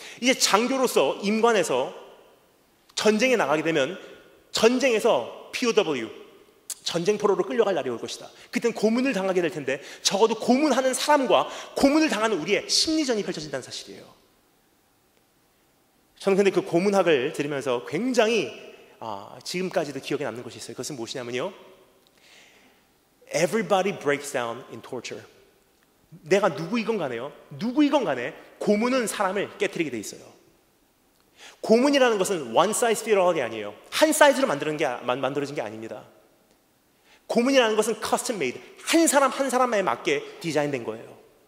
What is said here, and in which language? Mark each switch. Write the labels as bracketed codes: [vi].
[ko] 이제 장교로서 임관해서 전쟁에 나가게 되면 전쟁에서 POW, 전쟁포로로 끌려갈 날이 올 것이다. 그땐 고문을 당하게 될 텐데 적어도 고문하는 사람과 고문을 당하는 우리의 심리전이 펼쳐진다는 사실이에요. 저는 근데 그 고문학을 들으면서 굉장히 지금까지도 기억에 남는 것이 있어요. 그것은 무엇이냐면요, [en] Everybody breaks down in torture. [ko] 내가 누구이건 간에요, 누구이건 간에 고문은 사람을 깨뜨리게 돼 있어요. 고문이라는 것은 [en] one size fits all [ko] 이 아니에요. 한 사이즈로 만들어진 게 아닙니다. 고문이라는 것은 [en] custom made, [ko] 한 사람 한 사람에 맞게 디자인된 거예요.